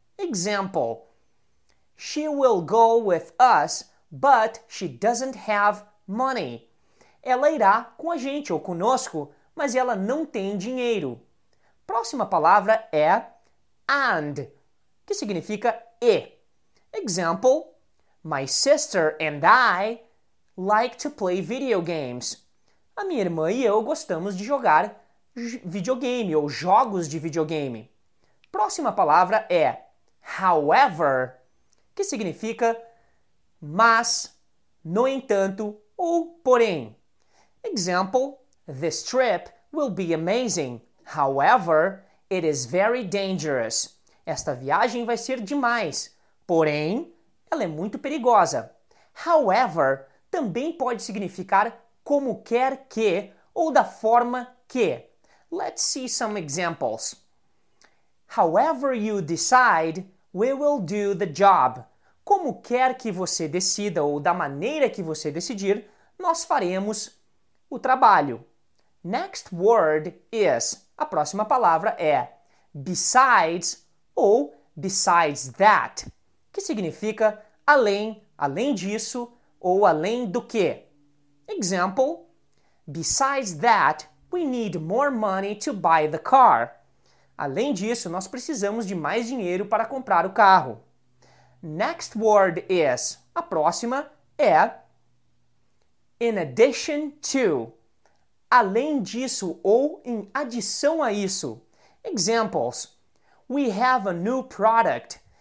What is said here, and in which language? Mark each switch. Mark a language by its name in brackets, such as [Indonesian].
[English] Example: She will go with us, but she doesn't have money. [Portuguese] Ela irá com a gente ou conosco, mas ela não tem dinheiro. Próxima palavra é and, que significa e. [English] Example: My sister and I like to play video games. [Portuguese] A minha irmã e eu gostamos de jogar videogame ou jogos de videogame. Próxima palavra é however, que significa mas, no entanto ou porém. [English] Example: This trip will be amazing. However, it is very dangerous. [Portuguese] Esta viagem vai ser demais. Porém, ela é muito perigosa. However, também pode significar como quer que ou da forma que. [English] Let's see some examples. However you decide, we will do the job. [Portuguese] Como quer que você decida ou da maneira que você decidir, nós faremos o trabalho. [English] Next word is, [Portuguese] a próxima palavra é besides ou besides that, que significa além, além disso ou além do que. [English] Example: Besides that, we need more money to buy the car. [Portuguese] Além disso, nós precisamos de mais dinheiro para comprar o carro. [English] Next word is, [Portuguese] a próxima é in addition to, além disso ou em adição a isso. [English] Examples: We have a new product.